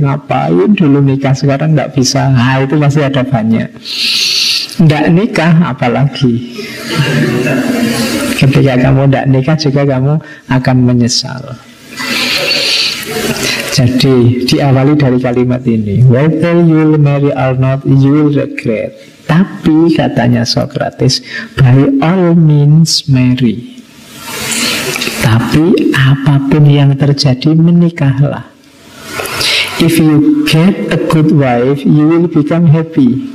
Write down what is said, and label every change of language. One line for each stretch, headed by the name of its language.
Indonesian: Ngapain dulu nikah, sekarang enggak bisa. Nah, itu pasti ada banyak. Enggak nikah, apalagi. Ketika kamu enggak nikah juga kamu akan menyesal. Jadi, diawali dari kalimat ini.
English: Whether you will marry or not, you will regret.
Indonesian: Tapi, katanya
English: Socrates, by all means marry.
Indonesian: Tapi, apapun yang terjadi, menikahlah.
English: If you get a good wife, you will become happy.